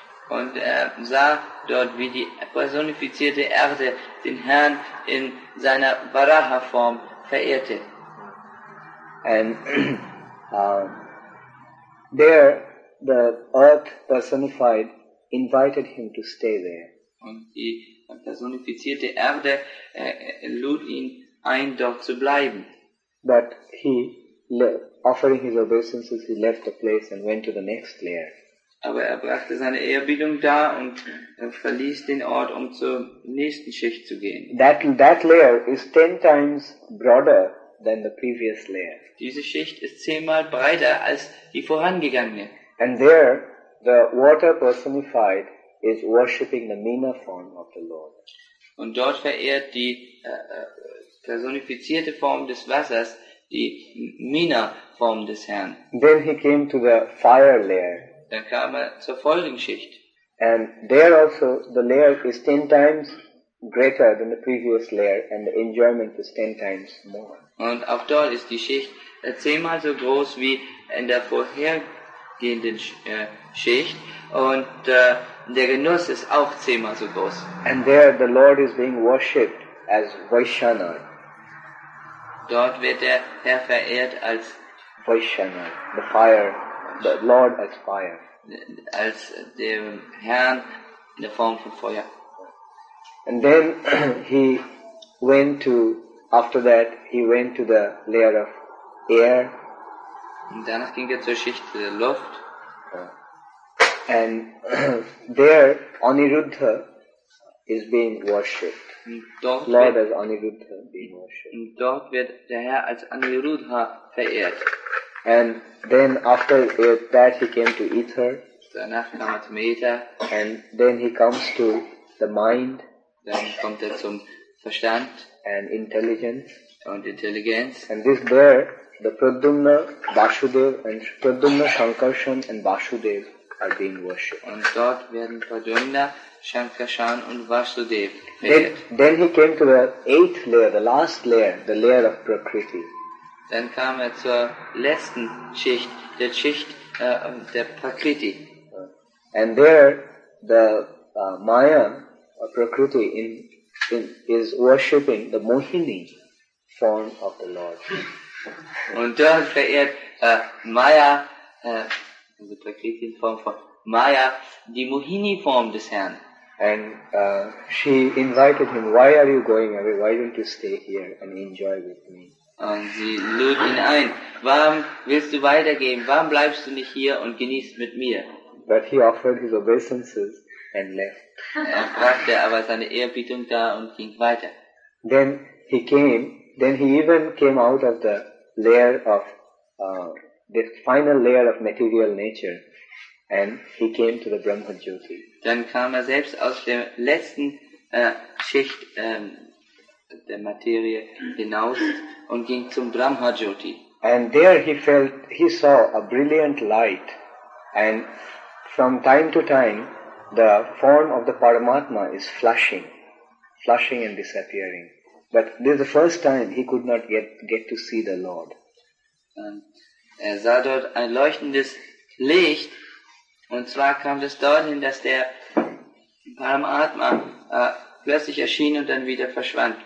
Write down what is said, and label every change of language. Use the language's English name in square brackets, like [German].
[German] Und er sah dort, wie die personifizierte Erde den Herrn in seiner Varaha-Form verehrte. [English] And there, the earth personified invited him to stay there. [German] Und die personifizierte Erde lud ihn ein, dort zu bleiben. [English] But he, offering his obeisances, he left the place and went to the next layer. [German] Aber er brachte seine Ehrbietung da und verließ den Ort, um zur nächsten Schicht zu gehen. [English] That layer is 10 times broader than the previous layer. [German] Diese Schicht ist 10-mal breiter als die vorangegangene. [English] And there, the water personified is worshipping the Meena form of the Lord. [German] Und dort verehrt die personifizierte Form des Wassers die Meena Form des Herrn. [English] Then he came to the fire layer. [German] Dann kam er zur Folgenschicht. [English] And there also the layer is 10 times greater than the previous layer and the enjoyment is 10 times more. [German] Und auch dort ist die Schicht 10-mal so groß wie in der vorhergehenden Schicht und der Genuss ist auch 10-mal so groß. [English] And there the Lord is being worshipped as Vaishnava. [German] Dort wird der Herr verehrt als [English] Vaishnava, the fire. The Lord as fire. [German] Als dem Herrn in der Form von Feuer. [English] And then he went to, after that, he went to the layer of air. [German] Und danach ging er zur Schicht der Luft. [English] And there Aniruddha is being worshipped. [German] Dort [English] Lord as Aniruddha being worshipped. [German] Und dort wird der Herr als Aniruddha verehrt. [English] And then after that he came to ether. [German] Danach kam er zum Äther. [English] And then he comes to the mind. [German] Dann kommt er zum Verstand. [English] And intelligence. [German] Und Intelligenz. [English] And this there, the Pradyumna, Vasudev, and Pradyumna, Shankarshan, and Vasudev are being worshipped. [German] Und dort werden Pradyumna, Shankarshan, und Vasudev. [English] Then he came to the eighth layer, the last layer, the layer of Prakriti. [German] Dann kam er zur letzten Schicht, der Schicht der Prakriti. [English] And there, the Maya, or Prakriti, is worshipping the Mohini form of the Lord. [German] Und dort verehrt Maya, also Prakriti in Form von Maya, die Mohini Form des Herrn. [English] And she invited him, why are you going away? Why don't you stay here and enjoy with me? [German] Und sie lud ihn ein. Warum willst du weitergehen? Warum bleibst du nicht hier und genießt mit mir? [English] But he offered his obeisances and left. [German] Er brachte aber seine Ehrbietung da und ging weiter. [English] Then he came. Then he even came out of the layer of the final layer of material nature, and he came to the Brahma Jyoti. [German] Dann kam er selbst aus der letzten Schicht der Materie hinaus und ging zum Brahma Jyoti. [English] And there he felt, he saw a brilliant light, and from time to time, the form of the Paramatma is flashing and disappearing. But this is the first time he could not get to see the Lord. [German] Und er sah dort ein leuchtendes Licht, und zwar kam das dorthin, dass der Paramatma plötzlich erschien und dann wieder verschwand.